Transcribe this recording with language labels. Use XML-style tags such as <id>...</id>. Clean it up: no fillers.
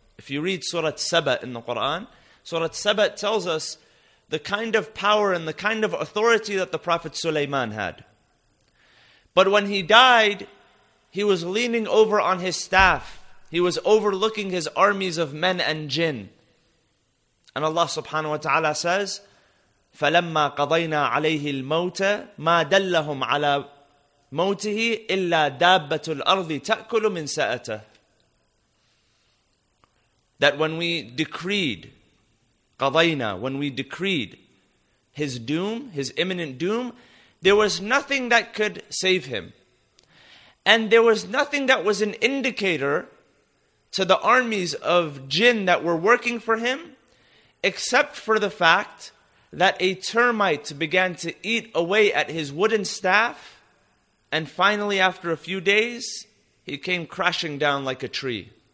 <en>If you read Surah Saba in the Quran, Surah Saba tells us the kind of power and the kind of authority that the Prophet Sulaiman had. But when he died, he was leaning over on his staff. He was overlooking his armies of men and jinn. And Allah subhanahu wa ta'ala says,</en> <ar>فَلَمَّا قَضَيْنَا عَلَيْهِ الْمَوْتَ مَا دَلَّهُمْ عَلَى مَوْتِهِ إِلَّا دَابَّةُ الْأَرْضِ تَأْكُلُ مِنْ سَأَتَهِ.</ar> <en>That when we decreed, قَضَيْنَا, when we decreed his doom, his imminent doom, there was nothing that could save him. And there was nothing that was an indicator to the armies of jinn that were working for him, except for the fact that a termite began to eat away at his wooden staff, and finally after a few days, he came crashing down like a tree.</en>